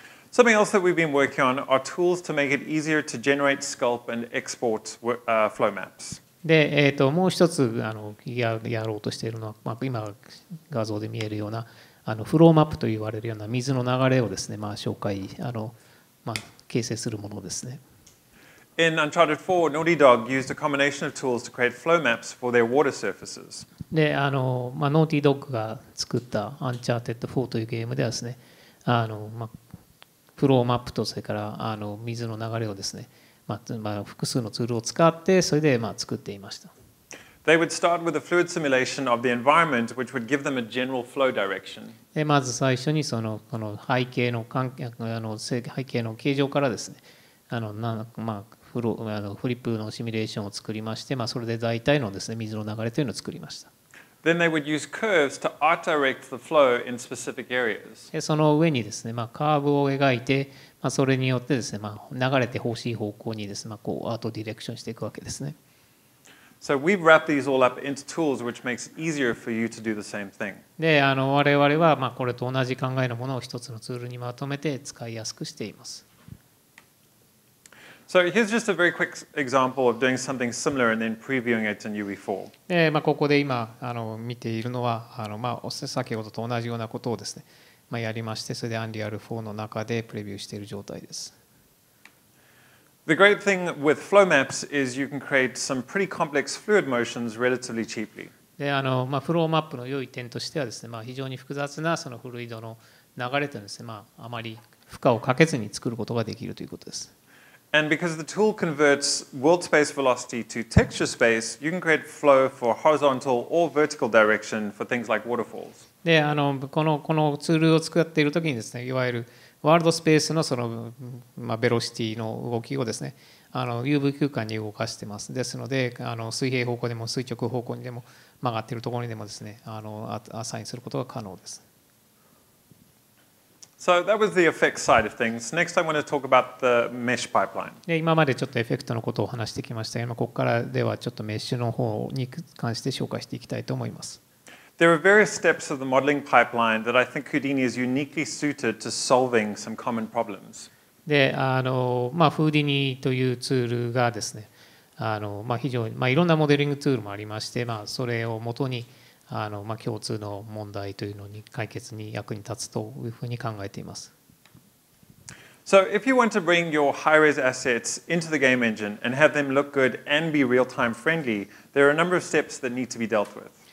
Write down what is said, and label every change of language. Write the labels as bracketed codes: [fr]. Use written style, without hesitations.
[en] Something else that we've been working on are tools to make it easier to generate, sculpt, and export flow maps. [ja] で、もう一つやろうとしているのは、まあ、今画像で見えるようなフローマップと言われるような水の流れをですね、まあ、紹介まあ、形成するものですね。 [en] In Uncharted 4, Naughty Dog used a combination of tools to create flow maps for their water surfaces. [ja] で、まあ、Naughty Dog が作った Uncharted 4というゲームではですね、まあ、フローマップとそれから水の流れをですね、まあ、複数のツールを使ってそれで、まあ、作っていました。 [en] They would start with a fluid simulation of the environment, which would give them a general flow direction. [ja] で、まず最初にその背景の関係、背景の形状からですね、まあ、フリップのシミュレーションを作りまして、まあ、それで大体のですね、水の流れというのを作りました。 [en] Then they would use curves to art direct the flow in specific areas. [ja] その上にですね、まあ、カーブを描いて、まあ、それによってですね、まあ、流れてほしい方向にですね、まあ、こうアートディレクションしていくわけですね。 [en] So we've wrapped these all up into tools which makes it easier for you to do the same thing. [ja] で、我々は、まあ、これと同じ考えのものを一つのツールにまとめて使いやすくしています。 [en] So here's just a very quick example of doing something similar and then previewing it in UE4. [ja] で、まあ、ここで今見ているのは先ほどと同じようなことをですね、まあ、やりまして、それでアンリアル4の中でプレビューしている状態です。 [en] The great thing with flow maps is you can create some pretty complex fluid motions relatively cheaply. [ja] で、まあ、フローマップの良い点としてはですね、まあ、非常に複雑なそのフルイドの流れというのですね、まあ、あまり負荷をかけずに作ることができるということです。 [en] And because the tool converts world space velocity to texture space, you can create flow for horizontal or vertical direction for things like waterfalls. [ja] で、このツールを使っているときにですね、いわゆるワールドスペースのその、まあ、ベロシティの動きをですね、UV 空間に動かしてます。ですので、水平方向でも垂直方向にでも曲がっているところにでもですね、アサインすることが可能です。 [en] So that was the effects side of things. Next, I want to talk about the mesh pipeline. [ja] で、今までちょっとエフェクトのことを話してきましたが、今ここからではちょっとメッシュの方に関して紹介していきたいと思います。 [en] There are various steps of the modeling pipeline that I think Houdini is uniquely suited to solving some common problems. [ja] で、まあ、Houdini というツールがですね、まあ、非常に、まあ、いろんなモデリングツールもありまして、まあ、それをもとにまあ、共通の問題というのに解決に役に立つというふうに考えています。 [en] So if you want to bring your high-res assets into the game engine and have them look good and be real-time friendly, there are a number of steps that need to be dealt with.